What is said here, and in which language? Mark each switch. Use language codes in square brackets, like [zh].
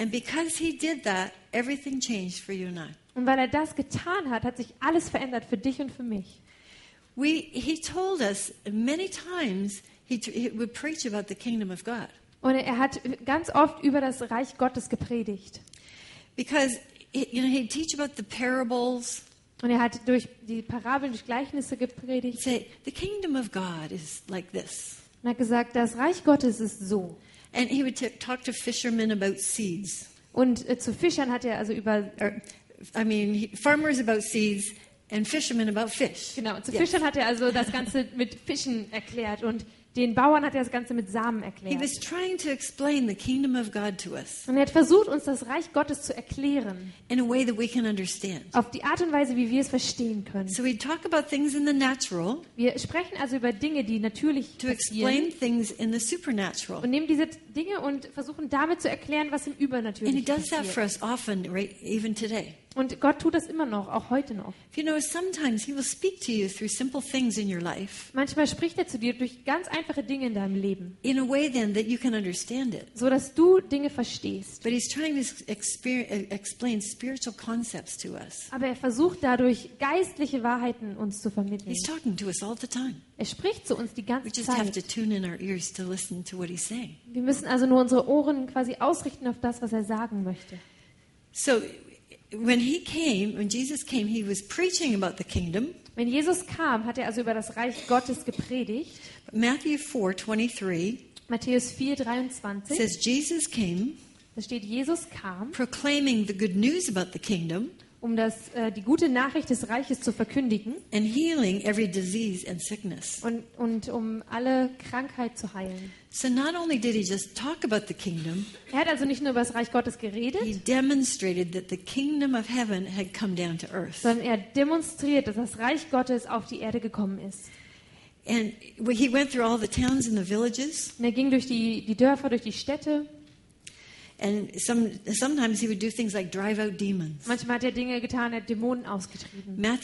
[en] And because he did that, everything changed for you and I. [de] Und weil er das getan hat, hat sich alles verändert für dich und für mich. [en] He told us many times he would preach about the kingdom of God. [de] Und er hat ganz oft über das Reich Gottes gepredigt. [en] Because he teach about the parables. [de] Und er hat durch die Parabeln, durch Gleichnisse gepredigt. [en] Say, the kingdom of God is like this. [de] Und er hat gesagt, das Reich Gottes ist so. [en] And he would talk to fishermen about seeds. [de] Und zu Fischern hat er also über. [en] Farmers about seeds and fishermen about fish. [de] Genau. Zu Fischern hat er also das Ganze mit Fischen erklärt und den Bauern hat er das Ganze mit Samen erklärt. [en] He was trying to explain the kingdom of God to us. [de] Und er hat versucht, uns das Reich Gottes zu erklären. [en] In a way that we can understand. [de] Auf die Art und Weise, wie wir es verstehen können. [en] So we talk about things in the natural. [de] Wir sprechen also über Dinge, die natürlich passieren. [en] To explain things in the supernatural. [de] Und nehmen diese Dinge und versuchen damit zu erklären, was im Übernatürlichen passiert. [en] And he does that for us often, right, even today. [de] Und Gott tut das immer noch, auch heute noch. [en] You know, sometimes he will speak to you through simple things in your life. [de] Manchmal spricht er zu dir durch ganz einfache Dinge in deinem Leben. [en] In a way then that you can understand it. [de] So dass du Dinge verstehst. [en] But he's trying to explain spiritual concepts to us. [de] Aber er versucht dadurch geistliche Wahrheiten uns zu vermitteln. [en] He's talking to us all the time. [de] Er spricht zu uns die ganze Zeit. [en] We just have to tune in our ears to listen to what he's saying. [de] Wir müssen also nur unsere Ohren quasi ausrichten auf das, was er sagen möchte. [en] So when Jesus came, he was preaching about the kingdom. [de] Wenn Jesus kam, hat er also über das Reich Gottes gepredigt. Matthäus 4:23 [en] says Jesus came. [de] Da steht Jesus kam. [en] Proclaiming the good news about the kingdom. [de] Um das die gute Nachricht des Reiches zu verkündigen. [en] And healing every disease and sickness. [de] Und um alle Krankheit zu heilen. [en] So not only did he just talk about the kingdom. [de] Er hat also nicht nur über das Reich Gottes geredet. [en] He demonstrated that the kingdom of heaven had come down to earth. [de] Sondern er demonstriert, dass das Reich Gottes auf die Erde gekommen ist. [en] And he went through all the towns and the villages. [de] Und er ging durch die Dörfer, durch die Städte. [en] And sometimes he would do things like drive out demons. [de] Manchmal hat er Dinge getan, er hat Dämonen ausgetrieben.